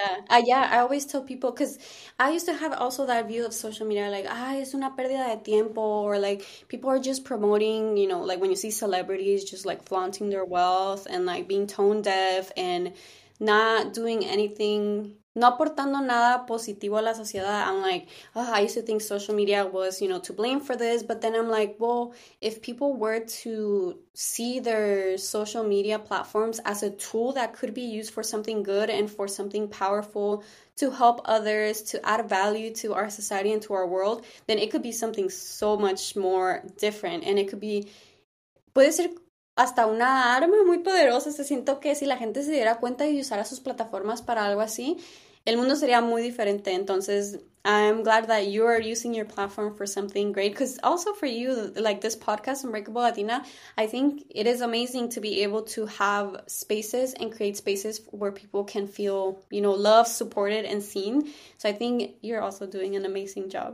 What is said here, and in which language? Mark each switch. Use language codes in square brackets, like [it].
[en] I always tell people because I used to have also that view of social media, like, ah, [es] es una pérdida de tiempo, [en] or like people are just promoting, like when you see celebrities just like flaunting their wealth and like being tone deaf and not doing anything. [es] No aportando nada positivo a la sociedad. [en] I'm like, oh, I used to think social media was, to blame for this. But then I'm like, well, if people were to see their social media platforms as a tool that could be used for something good and for something powerful to help others, to add value to our society and to our world, then it could be something so much more different. And it could be, [es] puede ser hasta una arma muy poderosa. Se siento que si la gente se diera cuenta y usara sus plataformas para algo así, el mundo sería muy diferente. [en] Entonces, I'm glad that you are using your platform for something great. Because also for you, like this podcast, Unbreakable Latina, I think it is amazing to be able to have spaces and create spaces where people can feel, loved, supported, and seen. So I think you're also doing an amazing job.